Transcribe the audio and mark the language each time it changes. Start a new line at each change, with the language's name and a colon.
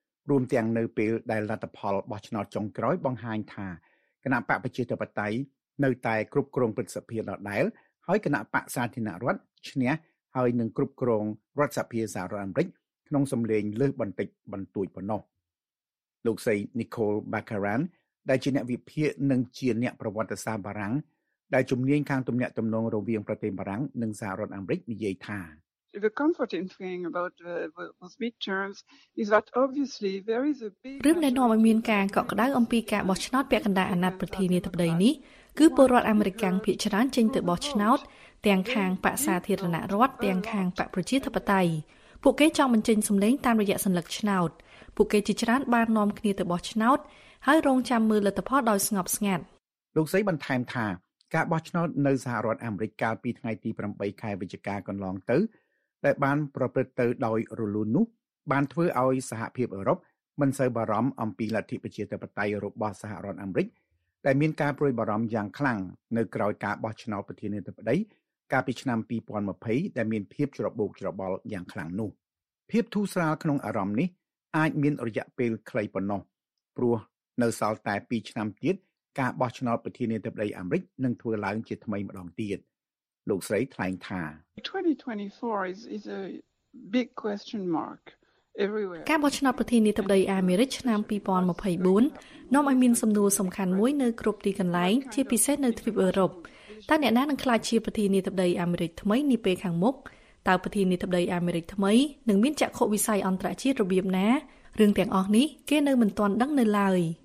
Khmer: រួមទាំងនៅពេលដែលលទ្ធផលបោះឆ្នោតចុងក្រោយបង្ហាញថាគណៈបកប្រជាធិបតេយ្យនៅតែគ្រប់គ្រងព្រឹទ្ធសភាដដែលហើយគណៈបកសាធារណរដ្ឋឈ្នះហើយនឹងគ្រប់គ្រងរដ្ឋសភាសហរដ្ឋអាមេរិកក្នុងសម្លេងលើសបន្តិចបន្តួចប៉ុណ្ណោះលោកស្រី Nicole Baccarin ដែលជាអ្នកវិភាគនិងជាអ្នកប្រវត្តិសាស្ត្របារាំងដែលជំនាញខាងទំនាក់ទំនងរវាងប្រទេសបារាំងនិងសហរដ្ឋអាមេរិកនិយាយថា
English: The comforting thing about the midterms is that obviously there is a big
Khmer: រឿងដែលនាំឲ្យមានការកក់ក្តៅអំពីការបោះឆ្នោតពាក់កណ្ដាលអាណត្តិប្រធានាធិបតីនេះគឺពលរដ្ឋអាមេរិកាំងភាគច្រើនចេញទៅបោះឆ្នោតទាំងខាងបកសាធារណរដ្ឋទាំងខាងបកប្រជាធិបតេយ្យពួកគេចង់បញ្ចេញសំឡេងតាមរយៈសញ្ញាឆ្នោតពួកគេជាច្រើនបាននាំគ្នាទៅបោះឆ្នោតហើយរងចាំមើលលទ្ធផលដោយស្ងប់ស្ងាត់លោកស្រីបន្ថែមថាការបោះឆ្នោតនៅសហរដ្ឋអាមេរិកកាលពីថ្ងៃទី8ខែវិច្ឆិកាកន្លងទៅដែលបានប្រព្រឹត្តទៅដោយរលូននោះបានធ្វើឲ្យសហភាពអឺរ៉ុបមិនសូវបារម្ភអំពីលទ្ធិប្រជាធិបតេយ្យរបស់សហរដ្ឋអាមេរិក ដែលមានការព្រួយបារម្ភយ៉ាងខ្លាំងនៅក្រោយការបោះឆ្នោតប្រធានាធិបតីកាលពីឆ្នាំ2020ដែលមានភាពច្របូកច្របល់យ៉ាងខ្លាំងនោះភាពធូរស្រាលក្នុងអារម្មណ៍នេះអាចមានរយៈពេលខ្លីប៉ុណ្ណោះព្រោះនៅសល់តែ2ឆ្នាំទៀតការបោះឆ្នោតប្រធានាធិបតីអាមេរិកនឹងធ្វើឡើងជាថ្មីម្ដងទៀតលោកស្រីថ្លែងថា
English: 2024 is a big question mark everywhere
Khmer: ការបោះឆ្នោតប្រធានាធិបតីអាមេរិកឆ្នាំ2024នាំឲ្យមានសំណួរសំខាន់មួយនៅគ្រប់ទីកន្លែងជាពិសេសនៅទ្វីបអឺរ៉ុបតើអ្នកណានឹងក្លាយជាប្រធានាធិបតីអាមេរិកថ្មីនាពេលខាងមុខតើប្រធានាធិបតីអាមេរិកថ្មីនឹងមានចក្ខុវិស័យអន្តរជាតិរបៀបណារឿងទាំងអស់នេះគេនៅមិនទាន់ដឹងនៅឡើយ